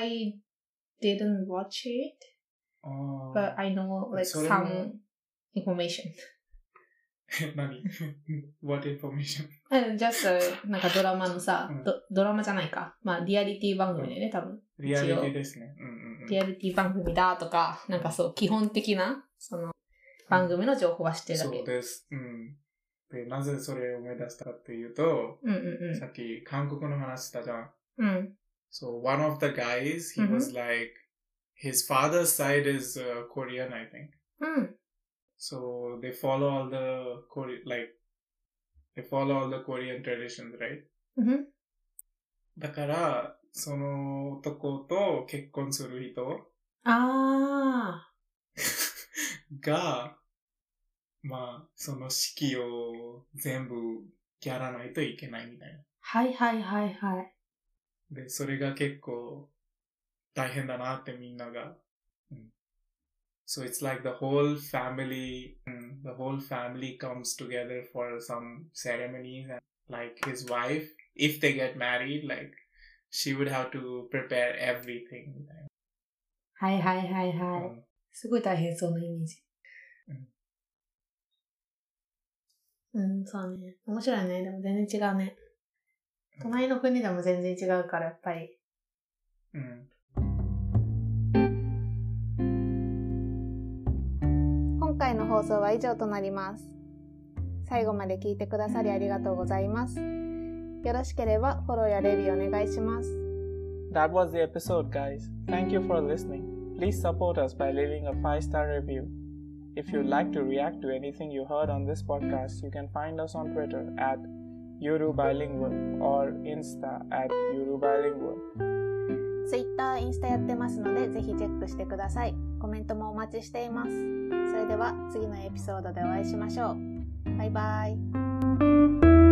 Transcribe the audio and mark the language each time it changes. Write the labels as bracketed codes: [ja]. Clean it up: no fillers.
[en] I didn't watch it, but I know like some information. 何 ？What information？ [ja] Just なんかドラマのさ、ドラマじゃないか、まあリアリティ番組ね、多分。リアリティですね。リアリティ番組だとか、なんかそう基本的なその番組の情報は知ってるだけ。そうです。うん。で、なぜそれを思い出したかっていうと、うんうんうん、さっき韓国の話したじゃん。うん。 [en] So, one of the guys, he、うん、was like, his father's side is、Korean, I think. [ja] うん。 [en] So, they follow all the Korean, like, they follow all the Korean traditions, right? [ja] うん。だから、その男と結婚する人。ああ。が、まあ、その式を全部やらないといけないみたいな。はいはいはいはい。で、それが結構大変だなってみんなが。 [en] うん、so it's like the whole family,、うん、the whole family comes together for some ceremonies and like his wife, if they get married, like she would have to prepare everything みたいな。 [ja] はいはいはいはい。うん、すごい大変そうなイメージ。うん、そうね。面白いね。でも全然違うね。隣の国でも全然違うから、やっぱり。うん。放送は以上となります。最後まで聞いてくださりありがとうございます。よろしければフォローやレビューお願いします。 [en] That was the episode, guys. Thank you for listening. Please support us by leaving a 5-star review. If you'd like to react to anything you heard on this podcast, you can find us on Twitter at YoruBilingual or Insta at YoruBilingual. [ja] Twitter、Insta やってますので、ぜひチェックしてください。コメントもお待ちしています。それでは次のエピソードでお会いしましょう。バイバイ。